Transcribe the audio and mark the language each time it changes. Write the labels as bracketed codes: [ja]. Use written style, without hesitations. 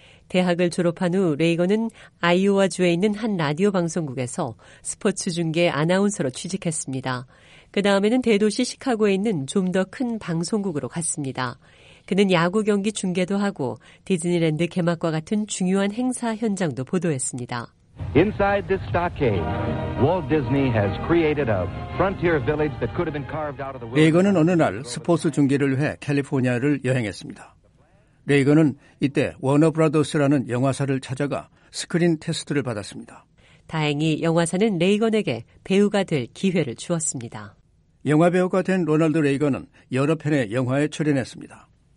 [ko] 대학을 졸업한 후 레이건은 아이오와주에 있는 한 라디오 방송국에서 스포츠 중계 아나운서로 취직했습니다. 그 다음에는 대도시 시카고에 있는 좀 더 큰 방송국으로 갔습니다. 그는 야구 경기 중계도 하고 디즈니랜드 개막과 같은 중요한 행사 현장도 보도했습니다. [en] Inside this stockade, Walt Disney has created a frontier village that could have been carved out of the wilderness. [ko] 레이건은 어느 날 스포츠 중계를 위해 캘리포니아를 여행했습니다. 레이건은 이때 워너브라더스라는 영화사를 찾아가 스크린 테스트를 받았습니다. 다행히 영화사는 레이건에게 배우가 될 기회를 주었습니다. 영화 배우가 된 로널드 레이건은 여러 편의 영화에 출연했습니다.